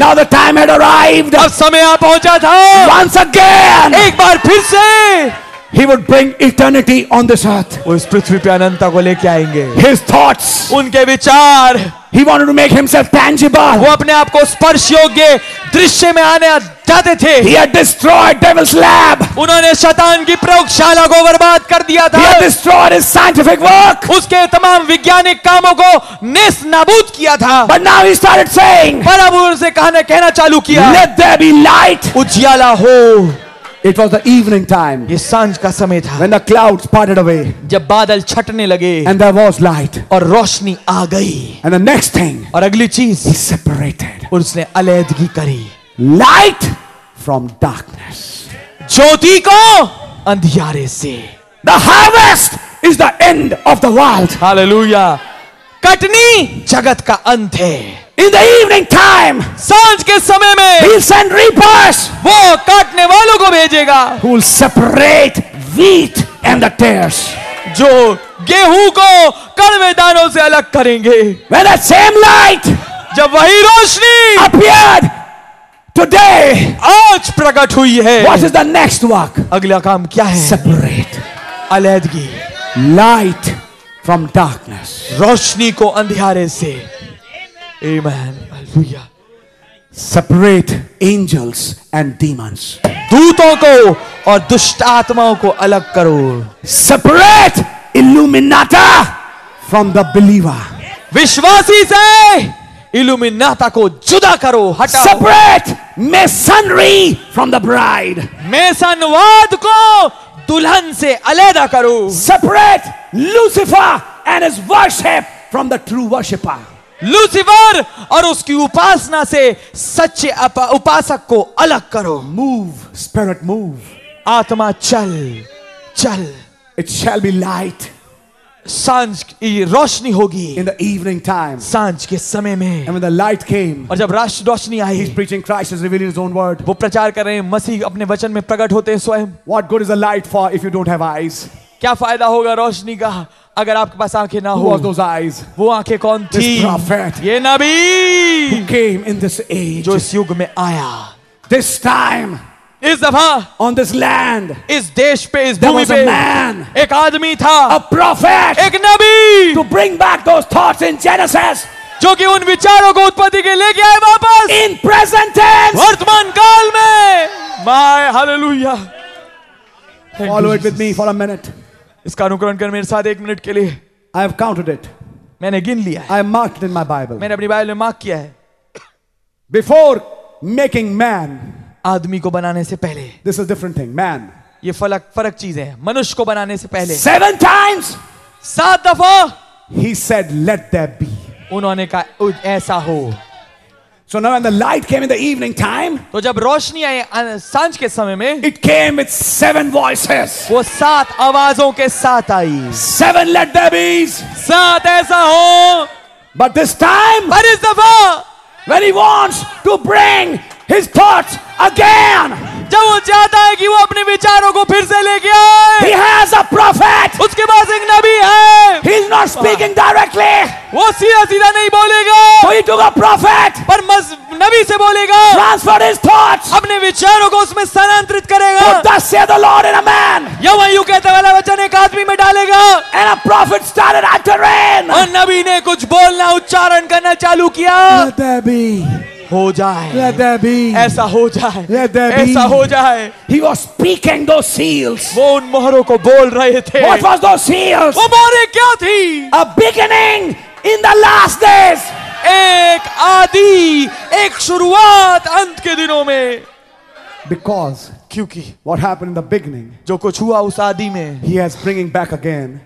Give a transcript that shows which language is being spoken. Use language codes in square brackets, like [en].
[en] Now the time had arrived. [hi] अब समय आ पहुंचा था. [en] Once again. [hi] एक बार फिर से. [en] He would bring eternity on this earth. [hi] वो इस पृथ्वी पे अनंत को लेके आएंगे. [en] His thoughts. [hi] उनके विचार. [en] He wanted to make himself tangible. [hi] वो अपने आप को स्पर्श योग्य दृश्य में आने चाहते थे. [en] He had destroyed devil's lab. [hi] उन्होंने शैतान की प्रयोगशाला को बर्बाद कर दिया था. [en] He had destroyed his scientific work. [hi] उसके तमाम वैज्ञानिक कामों को नेस्ट नाबूद किया था. [en] But now he started saying. [hi] पर अब उसे कहना चालू किया. [en] Let there be light. [hi] उजियाला हो. [en] It was the evening time. [hi] ये सांझ का समय था. [en] When the clouds parted away. [hi] जब बादल छटने लगे. [en] And there was light. [hi] और रोशनी आ गई. [en] And the next thing. [hi] और अगली चीज. [en] He separated. [hi] और उसने अलैदगी करी. [en] Light from darkness. [hi] ज्योति को अंधियारे से. [en] The harvest is the end of the world. [hi] Hallelujah. Katni जगत का अंत है. [en] In the evening time, [hi] सांझ के समय में, [en] he'll send reapers, [hi] वो काटने वालों को भेजेगा, [en] who'll separate wheat and the tares, [hi] जो गेहूं को कड़वे दानों से अलग करेंगे. [en] When the same light, [hi] जब वही रोशनी, [en] appeared today, [hi] आज प्रकट हुई है. [en] What is the next work? [hi] अगला काम क्या है? [en] Separate, [hi] अलैदगी, [en] light from darkness, [hi] रोशनी को अंधियारे से. Amen. Hallelujah. [en] Separate angels and demons. [hi] दूतों को और दुष्ट आत्माओं को अलग करो. [en] Separate Illuminata from the believer. [hi] विश्वासी से Illuminata को जुदा करो, हटाओ. [en] Separate Masonry from the bride. [hi] मेसनवाद को दुल्हन से अलगा करो. [en] Separate Lucifer and his worship from the true worshipper. [hi] Lucifer और उसकी उपासना से सच्चे उपासक को अलग करो. [en] Move spirit move. [hi] आत्मा चल चल. [en] It shall be light. [hi] सांझ की रोशनी होगी. [en] In the evening time. [hi] सांझ के समय में. [en] And when the light came. [hi] और जब रोशनी आई. [en] He is preaching Christ is revealing his own word. [hi] वो प्रचार कर रहे हैं मसीह अपने वचन में प्रकट होते हैं स्वयं. [en] What good is the light for if you don't have eyes. [hi] क्या फायदा होगा रोशनी का अगर आपके पास आंखें ना हो. [en] Who was those eyes? [hi] वो आंखें कौन थी? [en] This prophet. [hi] ये नबी. [en] Who came in this age? [hi] जो इस युग में आया. [en] This time. [hi] इस दफा. [en] On this land. [hi] इस देश पे, इस भूमि पे. [en] There was a man. [hi] एक आदमी था. [en] A prophet. [hi] एक नबी. [en] To bring back those thoughts in Genesis. [hi] जो कि उन विचारों को उत्पत्ति के लेके आए वापस. [en] In present tense. [hi] वर्तमान काल में. [en] My hallelujah. Thank Follow Jesus. It with me for a minute. [hi] इसका अनुकरण कर मेरे साथ एक मिनट के लिए. [en] I have counted it. [hi] मैंने गिन लिया है. [en] I have marked it in my Bible. [hi] मैंने अपनी बाइबल में मार्क किया है. [en] Before making man, [hi] आदमी को बनाने से पहले. [en] This is different thing, man. [hi] ये फरक चीजें हैं. मनुष्य को बनाने से पहले. [en] Seven times, [hi] सात दफा. [en] He said, "Let there be." [hi] उन्होंने कहा ऐसा हो. [en] So now when the light came in the evening time, [hi] तो जब रोशनी आई सांझ के समय में, [en] it came with seven voices. [hi] वो सात आवाजों के साथ आई. [en] Seven let there be. [hi] सात ऐसा हो. [en] But this time, [hi] पर इस दफा, [en] when he wants to bring his thoughts again, [hi] जब वो चाहता है कि वो अपने विचारों को फिर से लेके आए. [en] He has a prophet. [hi] उसके पास एक नबी है. [en] He is not speaking directly. [hi] वो सीधा सीधा नहीं बोलेगा. [en] So he took a prophet. [hi] पर नबी से बोलेगा. [en] Transfer his thoughts. [hi] अपने विचारों को उसमें स्थानांतरित करेगा. [en] So thus said the Lord in a man. [hi] यहोवा यूं कहता वाला वचन एक आदमी में डालेगा. [en] And a prophet started uttering. [hi] और नबी ने कुछ बोलना उच्चारण करना चालू किया. [en] Let there be. [hi] हो जाए. [en] Let there be. [hi] ऐसा हो जाए. [en] Let there be. [hi] ऐसा हो जाए. [en] He was speaking those seals. [hi] वो उन मोहरों को बोल रहे थे. [en] What was those seals? [hi] वो मोहरें क्या थी? [en] A beginning in the last days. [hi] एक आदि, एक शुरुआत अंत के दिनों में. [en] Because. [hi] क्योंकि. [en] What happened in the beginning? [hi] जो कुछ हुआ उस आदि में. [en] He is bringing back again.